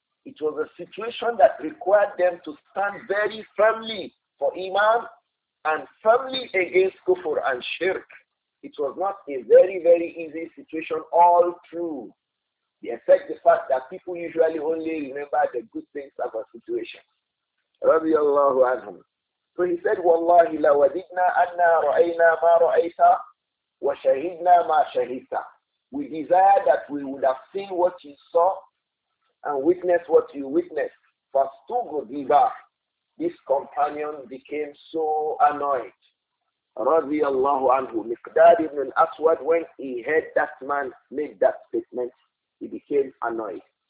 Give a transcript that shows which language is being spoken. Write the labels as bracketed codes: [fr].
[en] It was a situation that required them to stand very firmly for Iman and firmly against Kufr and Shirk. It was not a very, very easy situation all through. Except the fact that people usually only remember the good things of a situation. [ar] رضي الله عنه. [en] So he said, [ar] وَاللَّهِ لَوَدِدْنَا أَنَّا رَأَيْنَا مَا رَأَيْتَا وَشَهِدْنَا مَا شَهِدْتَا. [en] We desire that we would have seen what you saw and witnessed what you witnessed. Fastughdiba, this companion became so annoyed. Radiallahu anhu. Miqdad ibn al-Aswad, when he heard that man make that statement, he became annoyed.